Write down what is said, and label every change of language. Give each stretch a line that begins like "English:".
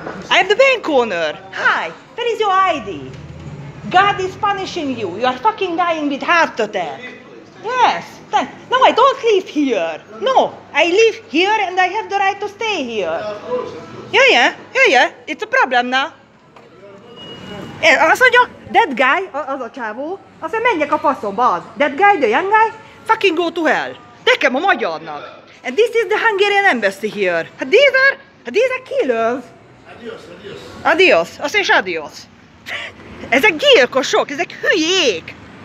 English: I'm the bank owner. Hi, where is your ID? God is punishing you. You are fucking dying with heart attack. Yes. No, I don't live here. No, I live here and I have the right to stay here. Yeah. It's a problem now.
Hungarian: Azt mondja,
English: that guy,
Hungarian: az a csávó, azt mondja, menjek a faszomba az.
English: That guy, the young guy, fucking go to hell.
Hungarian: Nekem a magyarnak.
English: And this is the Hungarian embassy here. These are killers.
Spanish: Adios.
Hungarian: Azt mondja, adios. Ezek gyilkosok, ezek hülyék!